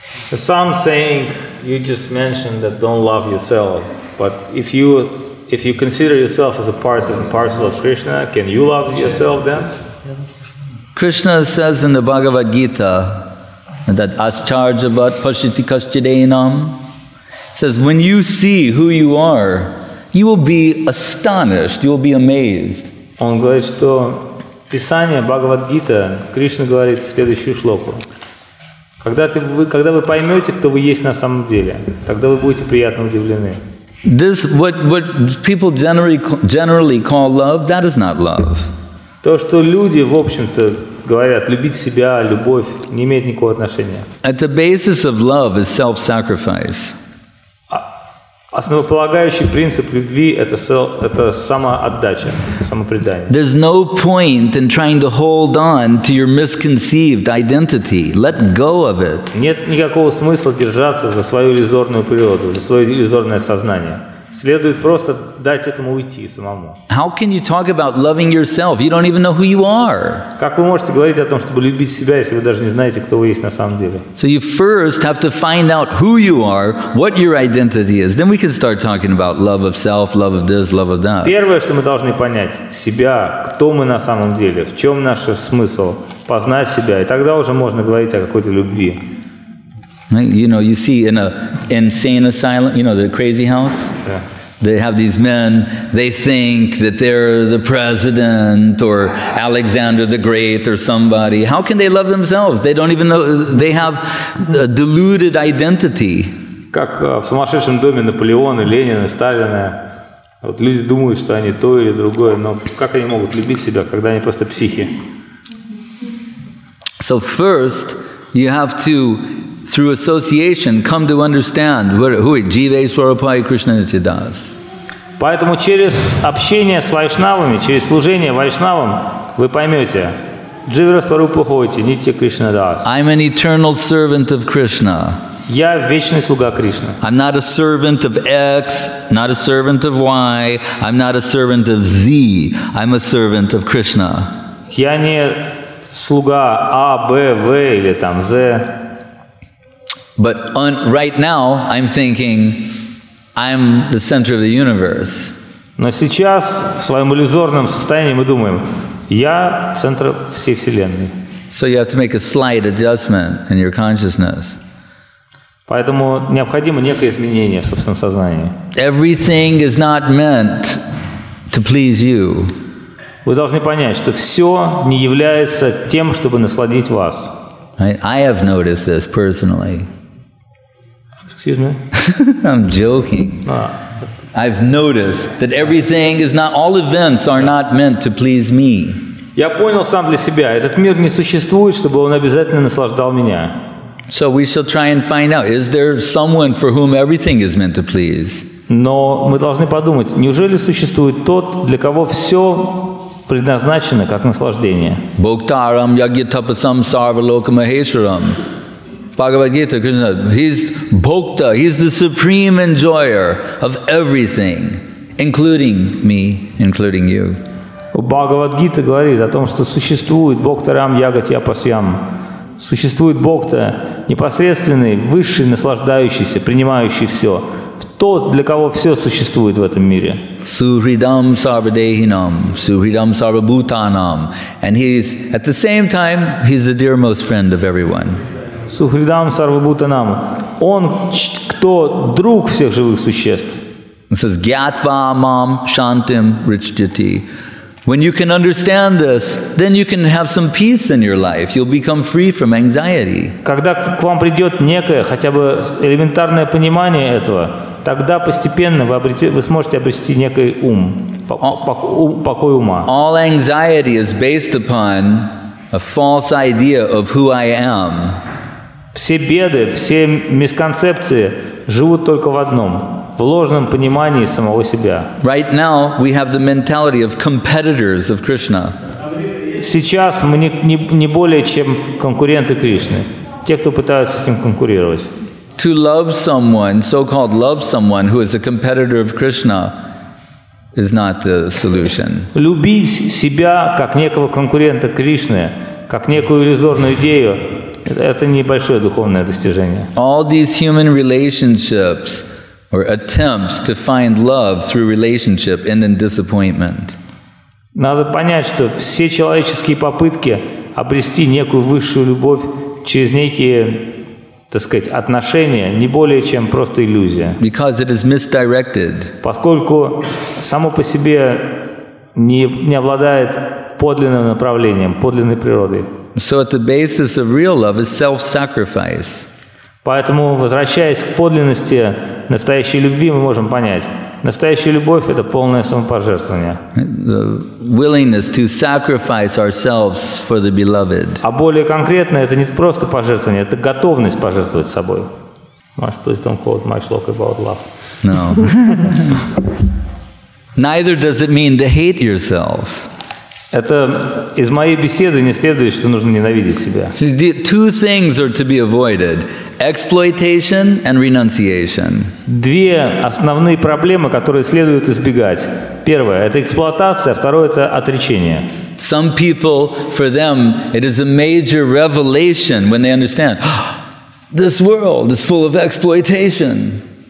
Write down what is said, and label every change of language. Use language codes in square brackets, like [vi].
[en] The son saying you just mentioned that don't love yourself, but if you consider yourself as a part and parcel of Krishna, can you love yourself then? Krishna says in the Bhagavad Gita that [sa] ascharja bhat pashiti kashchidenam, [en] says when you see who you are, you will be astonished, you will be amazed. [ru] Он говорит, что Писание Бхагавад Гита, Кришна говорит следующую шлоку. Когда вы поймете, кто вы есть на самом деле, тогда вы будете приятно удивлены. [en] This what people generally call love, that is not love. [ru] То, что люди, в общем-то, говорят, любить себя, любовь, не имеет никакого отношения. [en] At the basis of love is self-sacrifice. [ru] Основополагающий принцип любви – это самоотдача, самопредание. [en] There's no point in trying to hold on to your misconceived identity. Let go of it. [ru] Нет никакого смысла держаться за свою иллюзорную природу, за свое иллюзорное сознание. Следует просто дать этому уйти самому. [en] How can you talk about loving yourself? You don't even know who you are. [ru] Как вы можете говорить о том, чтобы любить себя, если вы даже не знаете, кто вы есть на самом деле? [en] So you first have to find out who you are, what your identity is. Then we can start talking about love of self, love of this, love of that. [ru] Первое, что мы должны понять, себя, кто мы на самом деле, в чем наш смысл, познать себя, и тогда уже можно говорить о какой-то любви. [en] You know, you see in an insane asylum, you know, the crazy house? Yeah. They have these men, they think that they're the president or Alexander the Great or somebody. How can they love themselves? They don't even know, they have a deluded identity. [ru] Как в сумасшедшем доме Наполеона, Ленина, Сталина. Вот люди думают, что они то или другое, но как они могут любить себя, когда они просто психи? [en] So first, you have to through association, come to understand who is [bn] Jiva Swarupai Krishna Nityadas. [ru] Поэтому через общение с вайшнавами, через служение вайшнавам, вы поймете, [bn] Jiva Swarupa Hoiti, Nitya Krishna Das. [en] I'm an eternal servant of Krishna. [ru] Я вечный слуга Кришны. [en] I'm not a servant of X, not a servant of Y, I'm not a servant of Z, I'm a servant of Krishna. [ru] Я не слуга А, Б, В или там З. [en] But right now I'm thinking I'm the center of the universe. [ru] Но сейчас в своем иллюзорном состоянии мы думаем, я центр всей вселенной. [en] So you have to make a slight adjustment in your consciousness. [ru] Поэтому необходимо некое изменение в собственном сознании. [en] Everything is not meant to please you. [ru] Вы должны понять, что все не является тем, чтобы насладить вас. [en] I have noticed this personally. Excuse me? I'm joking. I've noticed that everything is not, all events are not meant to please me. [ru] Я понял сам для себя, этот мир не существует, чтобы он обязательно наслаждал меня. [en] So we shall try and find out, is there someone for whom everything is meant to please? [ru] Но мы должны подумать, неужели существует тот, для кого все предназначено как наслаждение? [sa] Bhoktaram yagyatapasam sarvalokamaheshwaram. [en] Bhagavad Gita, Krishna, he's bhokta, he's the supreme enjoyer of everything, including me, including you. [ru] Bhagavad Gita говорит о том, что существует [sa] Bhoktaram yagyatapasam. [ru] Существует Бог-то непосредственный, высший, наслаждающийся, принимающий все. Тот, для кого все существует в этом мире. [sa] Сухридам сарвадехинам, сухридам сарвабутанам. [en] And he's, at the same time, he's the dearmost friend of everyone. [sa] Сухридам сарвабутанам. [ru] Он, кто друг всех живых существ. [en] It says, [sa] гьятва мам шантим ричджати. [en] When you can understand this, then you can have some peace in your life. You'll become free from anxiety. [ru] Когда к вам придет некое, хотя бы элементарное понимание этого, тогда постепенно вы сможете обрести некий ум, покой ума. [en] All anxiety is based upon a false idea of who I am. [ru] Все беды, все мисконцепции живут только в одном. В ложном понимании самого себя. [en] Right now we have the mentality of competitors of Krishna. [ru] Сейчас мы не более чем конкуренты Кришны, те, кто пытаются с ним конкурировать. [en] To love someone, so-called love someone who is a competitor of Krishna, is not the solution. [ru] Любить себя как некого конкурента Кришны, как некую иллюзорную идею, это небольшое духовное достижение. [en] All these human relationships. Or attempts to find love through relationship and in disappointment. [ru] Надо понять, что все человеческие попытки обрести некую высшую любовь через некие, так сказать, отношения, не более чем просто иллюзия. [en] Because it is misdirected. [ru] Поскольку само по себе не обладает подлинным направлением, подлинной природой. [en] So at the basis of real love is self-sacrifice. [ru] Поэтому, возвращаясь к подлинности настоящей любви, мы можем понять, настоящая любовь – это полное самопожертвование. [en] The willingness to sacrifice ourselves for the beloved. [ru] А более конкретно, это не просто пожертвование, это готовность пожертвовать собой. [en] Much please don't quote my shloka about love. No. Neither does it mean to hate yourself. [ru] Это из моей беседы не следует, что нужно ненавидеть себя. [en] Two things are to be avoided. Exploitation and renunciation. [ru] Две основные проблемы, которые следует избегать. Первое – это эксплуатация, а второе – это отречение. [en] Some people, for them, it is a major revelation when they understand, this world is full of exploitation.